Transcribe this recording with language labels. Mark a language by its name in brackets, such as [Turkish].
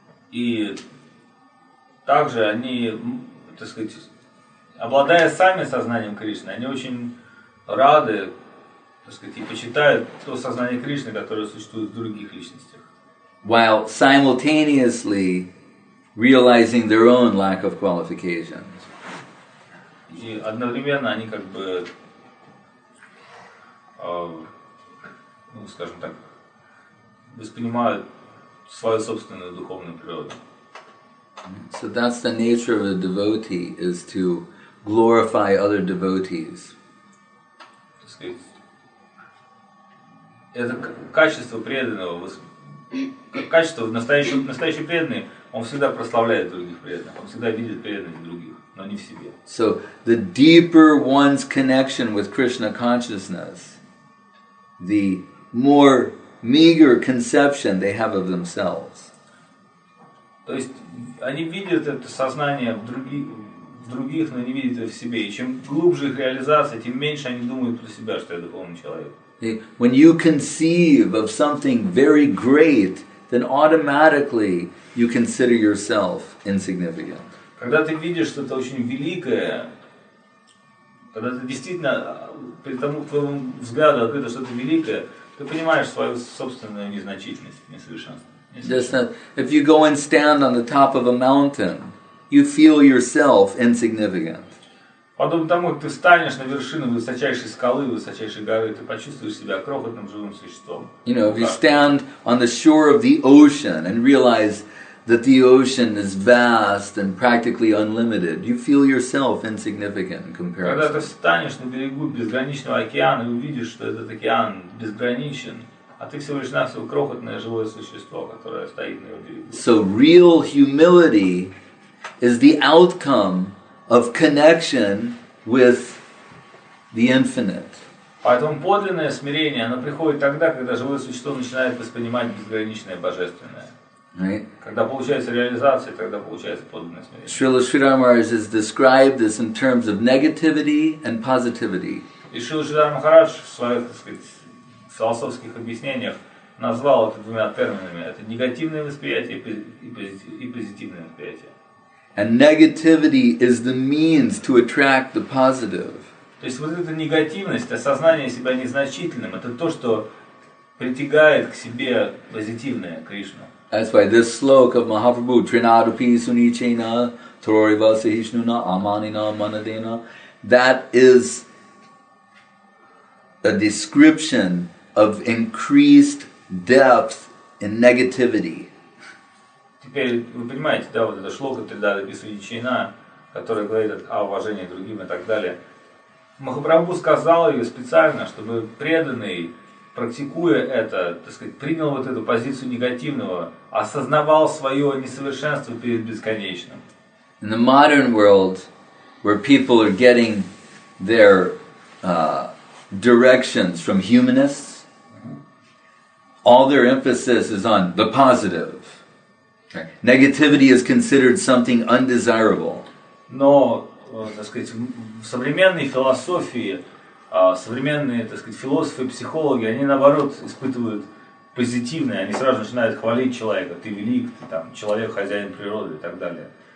[Russian] И также они, так сказать, обладая сами сознанием Кришны, они очень рады, так сказать, и почитают то сознание Кришны, которое существует в других личностях. [English] While simultaneously realizing their own lack of qualifications. [Russian] И одновременно они как бы, ну, скажем так, воспринимают свою собственную духовную природу. [English] So that's the nature of a devotee, is to glorify other devotees. [Russian] Это качество преданного. Качество настоящий преданный, он всегда прославляет других преданных, он всегда видит преданность других, но не в себе. [English] So the deeper one's connection with Krishna consciousness, the more meager conception they have of themselves. [Russian] То есть они видят это сознание в других, но не видят это в себе. И чем глубже их реализация, тем меньше они думают про себя, что я духовный человек. [English] When you conceive of something very great, then automatically you consider yourself insignificant. [Russian] Когда ты видишь что-то очень великое, когда ты действительно, при том, к твоему взгляду открыто что-то великое, ты понимаешь свою собственную незначительность, несовершенство. [English] Just that if you go and stand on the top of a mountain, you feel yourself insignificant. [Russian] Потом тому, ты встанешь на вершину высочайшей скалы, высочайшей горы, ты почувствуешь себя крохотным живым существом. [English] You know, if you stand on the shore of the ocean and realize that the ocean is vast and practically unlimited, you feel yourself insignificant in comparison. [Russian] Когда ты встанешь на берегу безграничного океана и увидишь, что этот океан безграничен, а ты всего лишь навсего крохотное живое существо, которое стоит на его берегу. [English] So real humility is the outcome of connection with the infinite. [Russian] Поэтому подлинное смирение, оно приходит тогда, когда живое существо начинает воспринимать безграничное божественное. [English] Right? [Russian] Когда получается реализация, тогда получается подлинное смирение. [English] Srila Sridhar Maharaj has described this in terms of negativity and positivity. [Russian] И Srila Sridhar Maharaj в своих, так сказать, философских объяснениях назвал это двумя терминами. Это негативное восприятие и позитивное восприятие. [English] And negativity is the means to attract the positive. [Russian] То есть вот эта негативность, осознание себя незначительным, это то, что притягает к себе позитивное, Кришну. [English] That's why this slok of Mahaprabhu, [Sanskrit] Trinadupi Sunichena, Thoriva Sahishnuna, Amanina, Manadena, [English] that is a description of increased depth in negativity. [Russian] Теперь вы понимаете, да, вот это шлока Тридадапи Суничина, которая говорит о уважении другим и так далее. Махапрабху сказал ее специально, чтобы преданный, практикуя это, так сказать, принял вот эту позицию негативного, осознавал свое несовершенство перед бесконечным. [English] In the modern world, where people are getting their directions from humanists, all their emphasis is on the positive. Negativity is considered something undesirable. [Russian] Но, так сказать, в современной философии, современные, так сказать, философы, психологи, они наоборот испытывают позитивное, они сразу начинают хвалить человека, ты велик, ты там человек, хозяин природы и так далее.